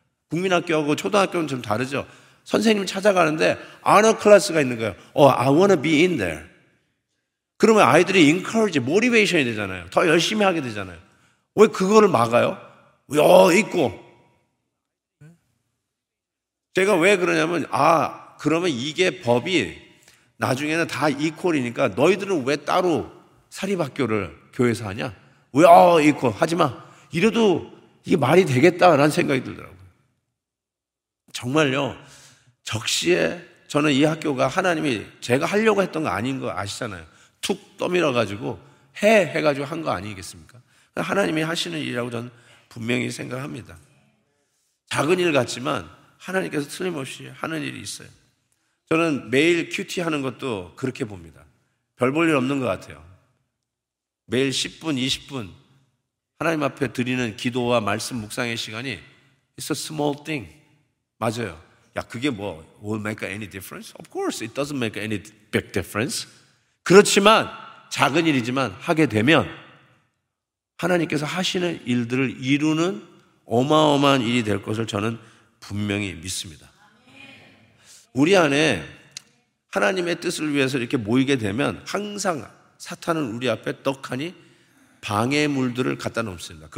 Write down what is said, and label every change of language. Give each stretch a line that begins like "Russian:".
Korean: 국민학교하고 초등학교는 좀 다르죠. 선생님 찾아가는데 honor class가 있는 거예요.
English: I want to be in there.
Korean: 그러면 아이들이 encourage, motivation이 되잖아요. 더 열심히 하게 되잖아요. 왜 그거를 막아요? 야, 있고. 제가 왜 그러냐면, 아, 그러면 이게 법이 나중에는 다 이퀄이니까 너희들은 왜 따로 사립학교를 교회에서 하냐? 야, 이퀄 하지 마. 이래도 이게 말이 되겠다라는 생각이 들더라고요. 정말요. 적시에 저는 이 학교가 하나님이 제가 하려고 했던 거 아닌 거 아시잖아요. 툭 떠밀어가지고 해! 해가지고 한 거 아니겠습니까? 하나님이 하시는 일이라고 저는 분명히 생각합니다. 작은 일 같지만 하나님께서 틀림없이 하는 일이 있어요. 저는 매일 큐티 하는 것도 그렇게 봅니다. 별 볼 일 없는 것 같아요. 매일 10분, 20분 하나님 앞에 드리는 기도와 말씀 묵상의 시간이
English: It's a small thing.
Korean: 맞아요. 야, 그게 뭐
English: will make any difference? Of course, it doesn't make any big difference.
Korean: 그렇지만 작은 일이지만 하게 되면 하나님께서 하시는 일들을 이루는 어마어마한 일이 될 것을 저는 분명히 믿습니다. 우리 안에 하나님의 뜻을 위해서 이렇게 모이게 되면 항상 사탄은 우리 앞에 떡하니 방해물들을 갖다 놓습니다.